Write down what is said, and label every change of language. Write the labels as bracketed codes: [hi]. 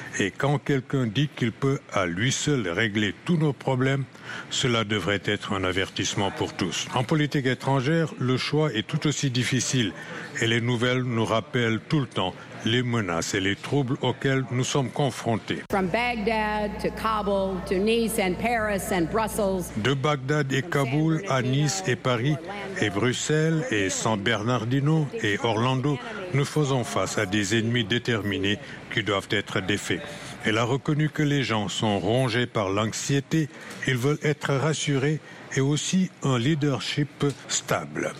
[fr] Et quand quelqu'un dit qu'il peut à lui seul régler tous nos problèmes, cela devrait être un avertissement pour tous. En politique étrangère, le choix est tout aussi difficile et les nouvelles nous rappellent tout le temps les menaces et les troubles auxquels nous sommes confrontés. [en] From Baghdad to Kabul to Nice and Paris and Brussels. [fr] De Bagdad et Kaboul à Nice et Paris et Bruxelles et San Bernardino et Orlando, nous faisons face à des ennemis déterminés qui doivent être défaits. Elle a reconnu que les gens sont rongés par l'anxiété, ils veulent être rassurés et aussi un leadership stable.